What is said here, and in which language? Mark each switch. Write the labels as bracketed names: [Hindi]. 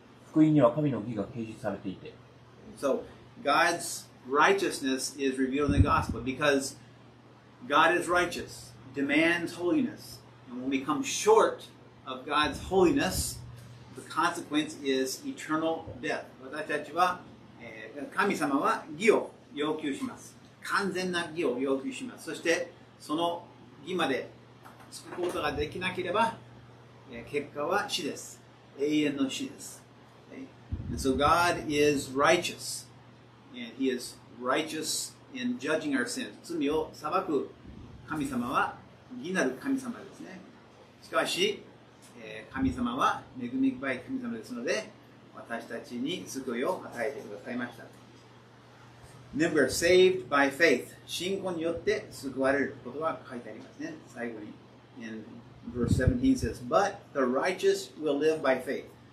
[Japanese] 福音には神の義が掲示されていて。 [English] So, God'sRighteousness is revealed in the gospel because God is righteous, demands holiness. And when we come short of God's holiness, the consequence is eternal death. [Japanese] 私たちは、神様は義を要求します。完全な義を要求します。そして、その義までつくことができなければ、結果は死です。永遠の死です。 [English] Okay? And so God is righteous. And he is righteous in judging our sins. [Japanese] 罪を裁く神様は義なる神様ですね。しかし、神様は恵み深い神様ですので、私たちに救いを与えてくださいました。 [English] Then we are saved by faith. [Japanese] 信仰によって救われることが書いてありますね。最後に。 [English] And verse 17 says, But the righteous will live by faith.